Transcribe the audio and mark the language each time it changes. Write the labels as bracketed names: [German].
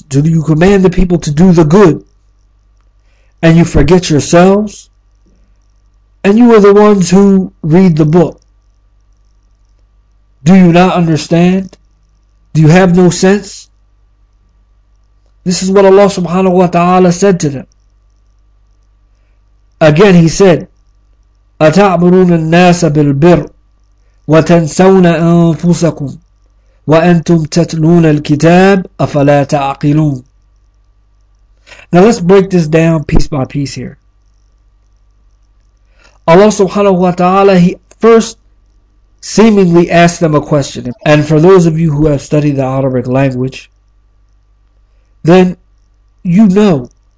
[English] Do you command the people to do the good? And you forget yourselves? And you are the ones who read the book. Do you not understand? Do you have no sense? This is what Allah subhanahu wa ta'ala said to them. Again, He said, [Arabic] أَتَعْمُرُونَ النَّاسَ بِالْبِرِّ وَتَنْسَوْنَ أَنفُسَكُمْ وَأَنْتُمْ تَتْلُونَ الْكِتَابِ أَفَلَا تَعْقِلُونَ. [English] Now let's break this down piece by piece here. Allah subhanahu wa ta'ala, He first seemingly asked them a question. And for those of you who have studied the Arabic language, then you know.